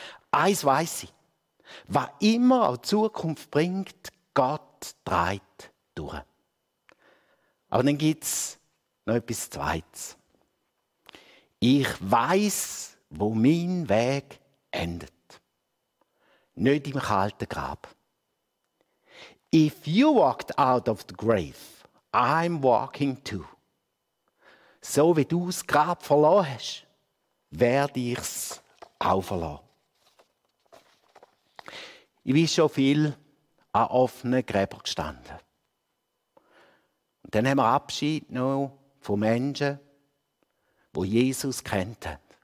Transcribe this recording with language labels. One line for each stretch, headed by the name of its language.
German: Eins weiß ich, was immer auch Zukunft bringt, Gott dreht durch. Aber dann gibt es noch etwas Zweites. Ich weiß, wo mein Weg endet. Nicht im kalten Grab.
English: If you walked out of the grave, I'm walking too.
German: so wie du das Grab verloren hast, werde ich es auch verlassen. Ich bin schon viel an offenen Gräbern gestanden. Und dann haben wir Abschied genommen von Menschen, die Jesus kannten.